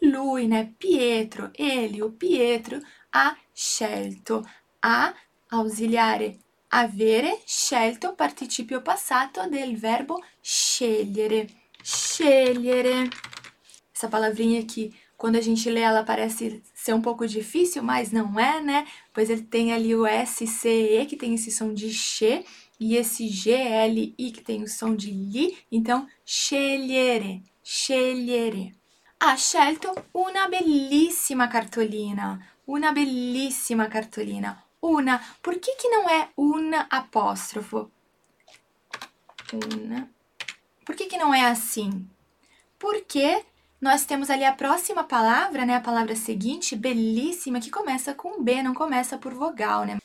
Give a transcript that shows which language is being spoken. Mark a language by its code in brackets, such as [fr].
[it] Lui, né? Pietro, Elio, Pietro ha scelto. Ha Ausiliare avere scelto participio passato del verbo scegliere. Scegliere. [pt] Essa palavrinha aqui, quando a gente lê ela parece ser um pouco difícil, mas não é, né? Pois ele tem ali o SCE, que tem esse som de che, e esse GLI, que tem o som de li. [it] Então, scegliere. Scegliere. Ha scelto una bellissima cartolina. Una bellissima cartolina. [pt] Una, por que que não è un apostrofo? Una. Por que que não è assim? Porque nós temos ali a próxima palavra, né? A palavra seguinte, bellissima, que começa com B, não começa por vogal, né?